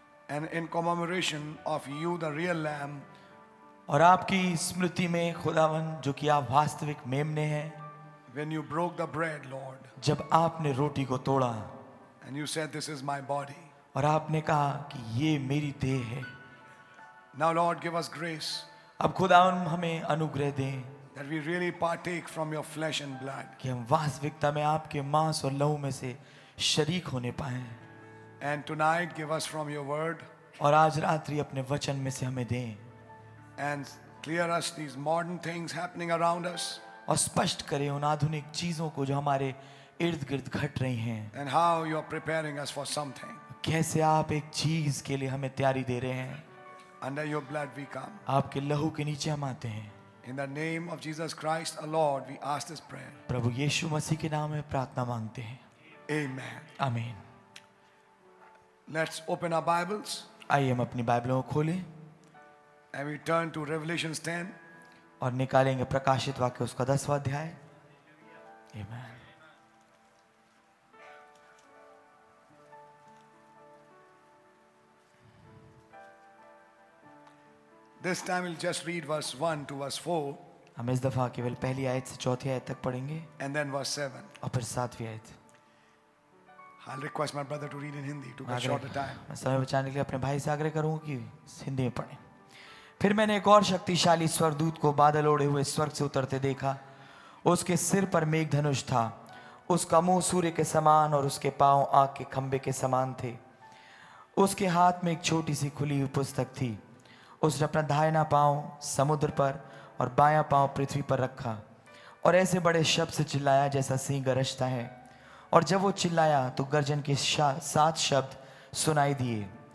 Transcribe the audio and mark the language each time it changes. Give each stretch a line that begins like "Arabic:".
English: and in commemoration of you the real lamb
Hindi: और आपकी स्मृति में खुदावन जो कि आप वास्तविक मेमने हैं
English: When you broke the bread, Lord,
Hindi: जब आपने रोटी को तोड़ा
English: and you said, This is my body.
Hindi: और आपने कहा कि ये मेरी देह है
English: Now, Lord, give us grace,
Hindi: अब खुदावन हमें अनुग्रह दें
English: that we really partake from your flesh and blood.
Hindi: कि हम वास्तविकता में आपके मांस और लहू में से शरीक होने पाए
English: and tonight, give us from your word,
Hindi: और आज रात्रि अपने वचन में से हमें दें
English: And clear us these modern things happening around us.
Hindi: और स्पष्ट करें उन आधुनिक चीजों को जो हमारे इर्द-गिर्द घट रही हैं.
English: And how you are preparing us for something.
Hindi: कैसे आप एक चीज के लिए हमें तैयारी दे रहे हैं.
English: Under your blood we come.
Hindi: आपके लहू के नीचे हम आते हैं.
English: In the name of Jesus Christ, our Lord, we ask this prayer.
Hindi: प्रभु यीशु मसीह के नाम में प्रार्थना मांगते हैं.
English: Amen. Amen. Let's open our Bibles.
Hindi: आइए हम अपनी बाइबलों को खोलें.
English: And we turn to Revelation 10.
Hindi: और निकालेंगे प्रकाशित वाक्य उसका दसवां अध्याय.
English: Amen. This time we'll just read verse 1 to verse 4.
Hindi: हम इस दफा केवल पहली आयत से चौथी आयत तक पढ़ेंगे.
English: And then verse 7.
Hindi: और फिर सातवीं आयत.
English: I'll request my brother to read in Hindi to get shorter time.
Hindi: मैं समय बचाने के लिए अपने भाई से आग्रह करूंगा कि हिंदी में पढ़ें. फिर मैंने एक और शक्तिशाली स्वर्गदूत को बादल ओढ़े हुए स्वर्ग से उतरते देखा उसके सिर पर मेघ धनुष था उसका मुंह सूर्य के समान और उसके पांव आग के खंभे के समान थे उसके हाथ में एक छोटी सी खुली हुई पुस्तक थी उसने अपना दाहिना पांव समुद्र पर और बायां पांव पृथ्वी पर रखा और ऐसे बड़े शब्द से चिल्लाया जैसा सिंह गरजता है और जब वो चिल्लाया तो गर्जन के सात शब्द सुनाई दिए